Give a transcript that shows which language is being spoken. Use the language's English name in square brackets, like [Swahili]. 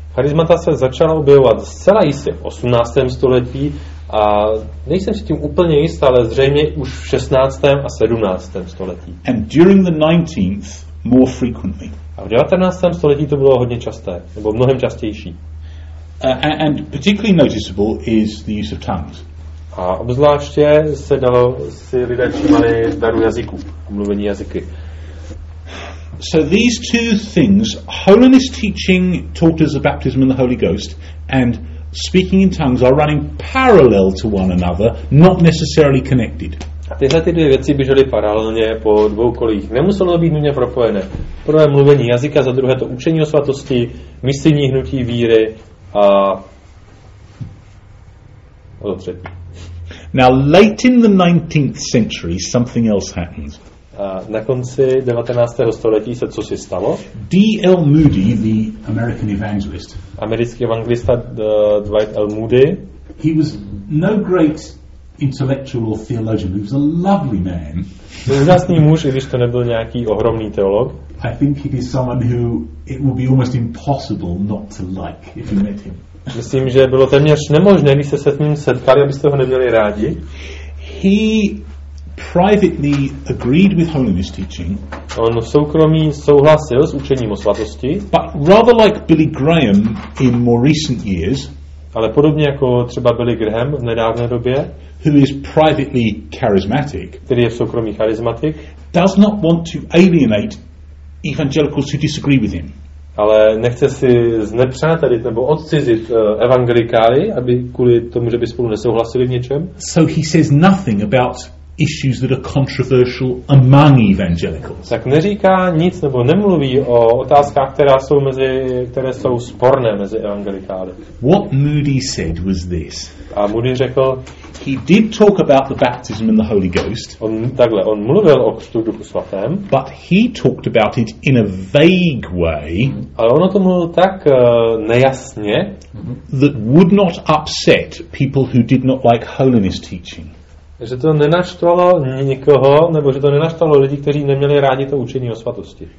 [Czech] Charismata se začala objevovat zcela jistě v 18. století a nejsem si tím úplně jist, ale zřejmě už v 16. a 17. století. [English] And during the 19th, more frequently. [Czech] A v 19. století to bylo hodně časté, nebo mnohem častější. [English] And particularly noticeable is the use of tongues. [Czech] A obzvláště se dalo, si lidé všímali daru jazyků, mluvení jazyky. [English] So these two things, holiness teaching taught as a baptism in the Holy Ghost and speaking in tongues are running parallel to one another, not necessarily connected. [Czech] Tyhle ty dvě věci běžely paralelně po dvou kolích. Nemuselo být nutně propojené. Prvé mluvení jazyka, za druhé to učení o svatosti, misijní hnutí víry a to třetí. [English] Now late in the 19th century something else happens. [Czech] Na konci 19. století se co si stalo? [English] D.L. Moody, the American evangelist. [Czech] Americký evangelista Dwight L. Moody. [English] He was no great intellectual theologian. He was a lovely man. [Czech] Úžasný muž, i když to nebyl nějaký ohromný teolog. [English] I think he is someone who it would be almost impossible not to like if you met him. [Czech] Myslím, že bylo téměř nemožné, když se s ním setkali, abyste ho neměli rádi. [English] He privately agreed with holiness teaching. [Czech] On v soukromí souhlasil s učením o svatosti. [English] But rather like Billy Graham in more recent years, [Czech] ale podobně jako třeba Billy Graham v nedávné době, [English] who is privately charismatic, [Czech] který je v soukromí charismatik, [English] does not want to alienate evangelicals who disagree with him. [Czech] Ale nechce si znepřátelit nebo odcizit evangelikály, aby kvůli tomu, že by spolu nesouhlasili v něčem. [English] So he says nothing about issues that are controversial among evangelicals. [Czech] Tak neříká nic nebo nemluví o otázkách, které jsou sporné mezi evangelikály. [English] What Moody said was this. [Czech] A Moody řekl, [English] he did talk about the baptism in the Holy Ghost. [Czech] On mluvil o křtu Duchu svatém. [English] But he talked about it in a vague way. [Czech] Ale on o tom mluvil tak nejasně. [English] That would not upset people who did not like holiness teaching. [Czech] Že to nenaštvalo nikoho, nebo že to nenaštvalo lidi, kteří neměli rádi to učení o svatosti.